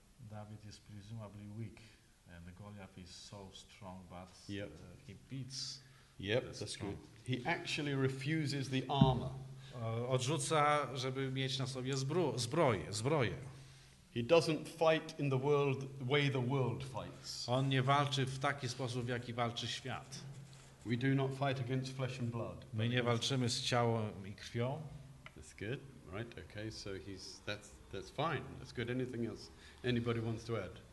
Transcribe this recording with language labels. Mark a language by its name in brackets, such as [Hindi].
[English] David is presumably weak. And Goliath is so strong, but yep. He beats. Yep, that's good. He actually refuses the armor. [Polish] Odrzuca, żeby mieć na sobie zbroję. [English] He doesn't fight in the world the way the world fights. [Polish] On nie walczy w taki sposób, w jaki walczy świat. [English] We do not fight against flesh and blood. [Polish] My nie walczymy z ciałem i krwią. [English] That's good, right? Okay, so that's fine. That's good. Anything else anybody wants to add?